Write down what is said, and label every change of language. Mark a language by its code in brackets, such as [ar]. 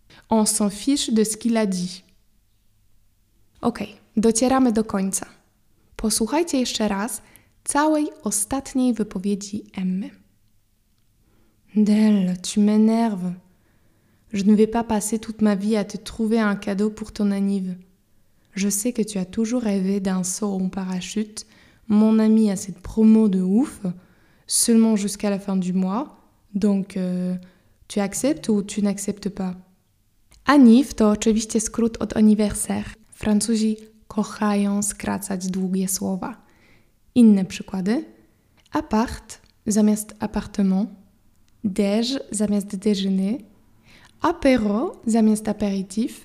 [fr] On s'en fiche de ce qu'il a dit. [pl] Ok, docieramy do końca. Posłuchajcie jeszcze raz całej ostatniej wypowiedzi Emmy. [fr] Del, tu m'énerves. Je ne vais pas passer toute ma vie à te trouver un cadeau pour ton anniv. Je sais que tu as toujours rêvé d'un saut en parachute. Mon ami a cette promo de ouf, seulement jusqu'à la fin du mois. Donc, tu acceptes ou tu n'acceptes pas? [pl] Anniv to oczywiście skrót od anniversaire. Francuzi kochają skracać długie słowa. Inne przykłady. Appart zamiast appartement. Déj zamiast déjeuner. Apéro zamiast apéritif.